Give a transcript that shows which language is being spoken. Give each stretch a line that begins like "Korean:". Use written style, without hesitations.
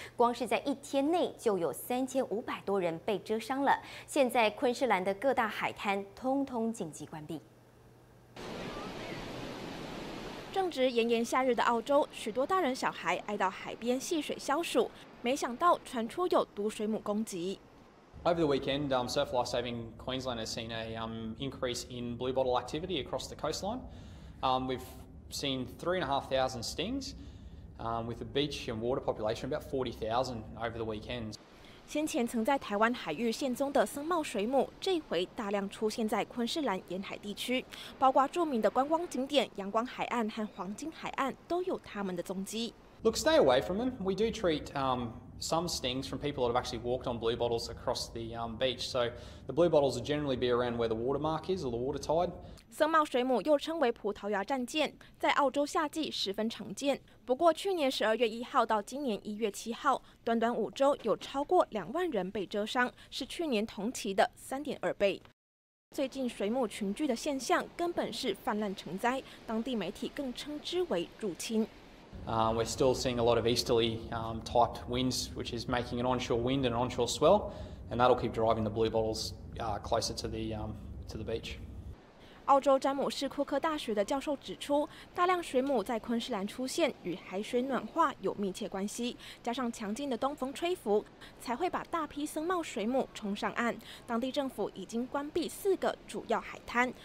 Chinese: 光是在一天内就有3500多人被蛰伤了。现在昆士兰的各大海滩通通紧急关闭。正值炎炎夏日的澳洲，许多大人小孩爱到海边戏水消暑，没想到传出有毒水母攻击。
English: Over the weekend, Surf Life Saving Queensland has seen an increase in bluebottle activity across the coastline. We've seen 3,500 stings, with the beach and water population about 40,000 over the weekend.
Chinese: 先前曾在台湾海域现踪的森茂水母，这回大量出现在昆士兰沿海地区，包括著名的观光景点阳光海岸和黄金海岸都有它们的踪迹。
English: Look, stay away from them. We do treat some stings from people that have actually walked on blue bottles across the beach. So the blue bottles will generally be around where the water mark is or the water tide.
Chinese: 森茂水母又称为葡萄牙战舰，在澳洲夏季十分常见。不过去年12月1号到今年1月7号，短短5周有超过20,000人被蛰伤，是去年同期的3.2倍。最近水母群聚的现象根本是泛滥成灾，当地媒体更称之为入侵。
English: We're still seeing a lot of easterly type winds, which is making an onshore wind and an onshore swell, and that'll keep driving the blue bottles closer to the beach.
Chinese: 澳洲詹姆士库克大学的教授指出，大量水母在昆士兰出现与海水暖化有密切关系，加上强劲的东风吹拂，才会把大批森茂水母冲上岸。当地政府已经关闭4个主要海滩。